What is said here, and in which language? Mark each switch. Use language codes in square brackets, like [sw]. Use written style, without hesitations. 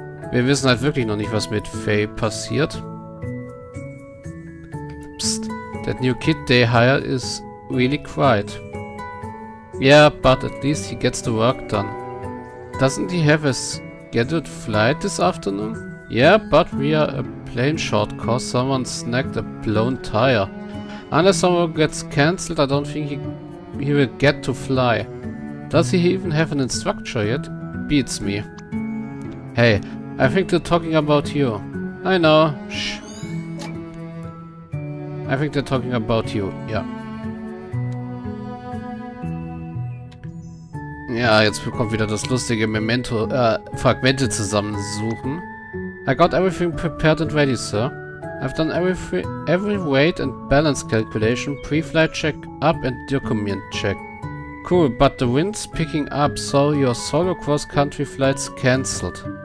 [de] Wir wissen halt wirklich noch nicht, was mit Faye passiert. Psst. [en] That new kid they hire is really quiet. Yeah, but at least he gets the work done. Doesn't he have a scheduled flight this afternoon? Yeah, but we are a plane short cause someone snagged a blown tire. Unless someone gets cancelled, I don't think he will get to fly. Does he even have an instructor yet? Beats me. Hey, I think they're talking about you. I know. Shh. I think they're talking about you. Yeah. [de] Ja, jetzt bekommt wieder das lustige Memento, Fragmente zusammensuchen. [en] I got everything prepared and ready, sir. I've done every weight and balance calculation, pre-flight check up and document check. Cool, but the wind's picking up, so your solo cross-country flight's cancelled.